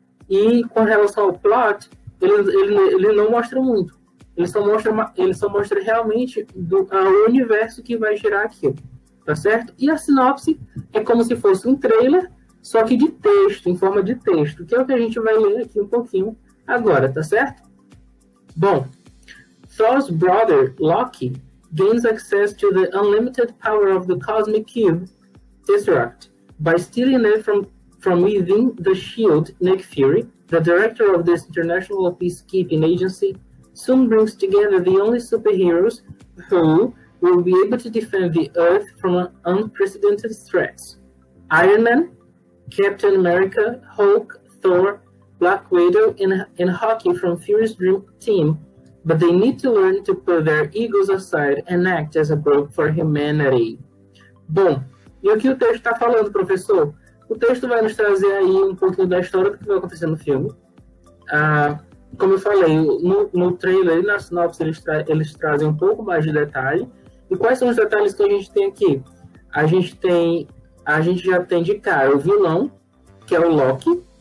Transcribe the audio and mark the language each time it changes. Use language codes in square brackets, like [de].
[pt] E com relação ao plot, ele não mostra muito. Ele só mostra realmente o universo que vai girar aquilo, tá certo? E a sinopse é como se fosse um trailer, só que de texto, em forma de texto, que é o que a gente vai ler aqui um pouquinho. Agora, tá certo? [en] Bom, Thor's brother, Loki, gains access to the unlimited power of the cosmic cube, Tesseract, by stealing it from within the shield. Nick Fury, the director of this international peacekeeping agency, soon brings together the only superheroes who will be able to defend the Earth from unprecedented threats: Iron Man, Captain America, Hulk, Thor, Black Widow and Hawkeye from Fury's dream team, but they need to learn to put their egos aside and act as a bridge for humanity. [pt] Bom, e o que o texto está falando, professor? O texto vai nos trazer aí um pouquinho da história do que vai acontecer no filme. Como eu falei, no trailer e na sinopse eles trazem um pouco mais de detalhe. E quais são os detalhes que a gente tem aqui? A gente já tem de cara o vilão, que é o Loki.